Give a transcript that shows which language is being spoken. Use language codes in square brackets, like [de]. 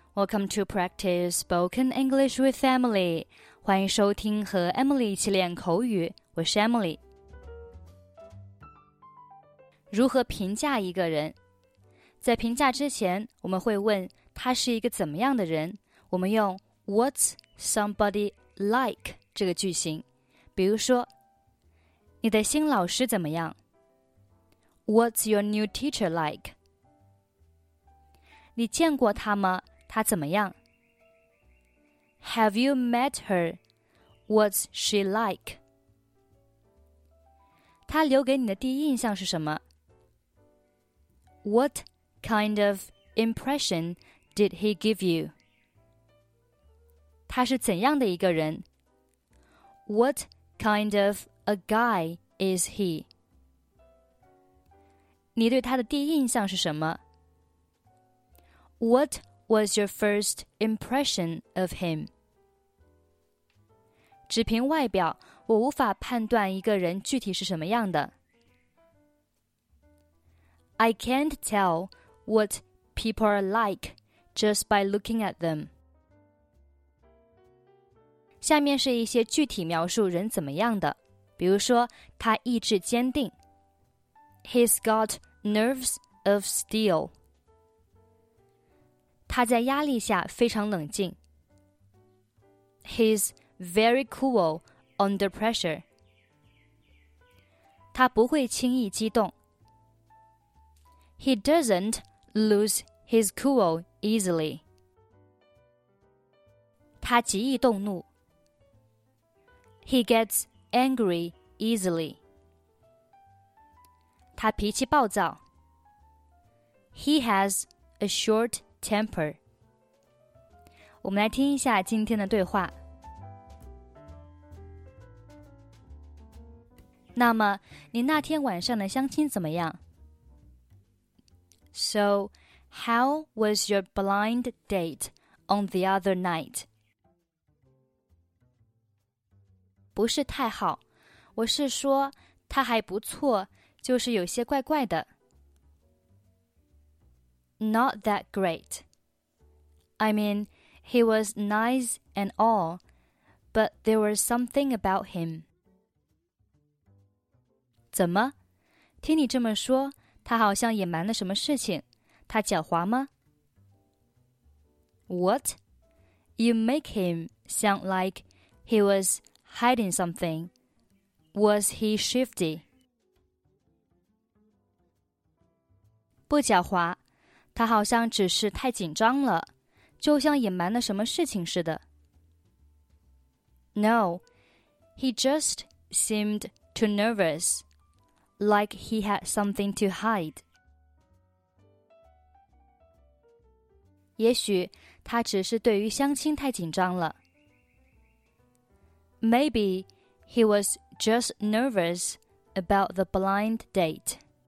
[en] Welcome to Practice Spoken English with Emily. [zh] 欢迎收听和 Emily 一起练口语。我是 Emily。如何评价一个人？在评价之前，我们会问他是一个怎么样的人。我们用 [en] What's somebody like [zh] 这个句型。比如说，你的新老师怎么样？ [en] What's your new teacher like? [zh] 你见过她吗？她怎么样？ [en] Have you met her? What's she like? [zh] 她留给你的第一印象是什么？ [en] What kind of impression did he give you? [zh] 她是怎样的一个人？ [en] What kind of a guy is he? [zh] 你对她的第一印象是什么？ [en] What was your first impression of him? [zh] 只凭外表，我无法判断一个人具体是什么样的。 [en] I can't tell what people are like just by looking at them. [zh] 下面是一些具体描述人怎么样的，比如说他意志坚定。 [en] He's got nerves of steel. [zh] 他在压力下非常冷静。 [en] He's very cool under pressure. [zh] 他不会轻易激动。 [en] He doesn't lose his cool easily. [zh] 他极易动怒。 [en] He gets angry easily. [zh] 他脾气暴躁。 [en] He has a short temper. [zh] 我们来听一下今天的对话。那么，你那天晚上的相亲怎么样？ [en] So, how was your blind date on the other night? [zh] 不是太好，我是说他还不错，就是有些怪怪的。 [en] Not that great. I mean, he was nice and all, but there was something about him. [zh] 怎么？听你这么说，他好像隐瞒了什么事情。他狡猾吗？ [en] What? You make him sound like he was hiding something. Was he shifty? [zh] 不狡猾，他好像只是太紧张了。就像隐瞒了什么事情似的。 [en] No, he just seemed too nervous, like he had something to hide. [zh] 也许他只是对于相亲太紧张了。 [en] Maybe he was just nervous about the blind date.